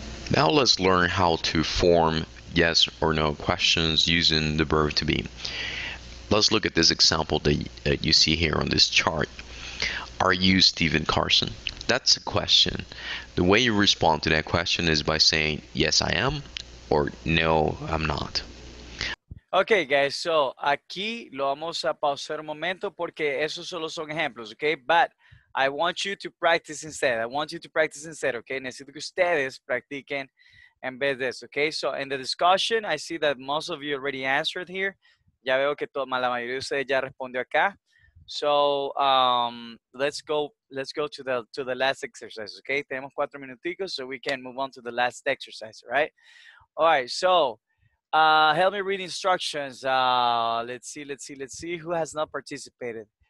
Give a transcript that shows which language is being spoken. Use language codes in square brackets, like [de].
[en] Now let's learn how to form yes or no questions using the verb to be. Let's look at this example that you see here on this chart. Are you Steven Carson? That's a question. The way you respond to that question is by saying yes I am or no I'm not. Okay, guys, so [es] aquí lo vamos a pausar un momento porque esos solo son ejemplos, okay? [en] But I want you to practice instead. I want you to practice instead, okay? [es] Necesito que ustedes practiquen en vez de eso, okay? [en] So in the discussion, I see that most of you already answered here. [es] Ya veo que la mayoría de ustedes ya respondió acá. [en] So let's go to the last exercise, okay? [es] Tenemos cuatro minuticos, [en] so we can move on to the last exercise, right? All right, so help me read instructions. Let's see who has not participated.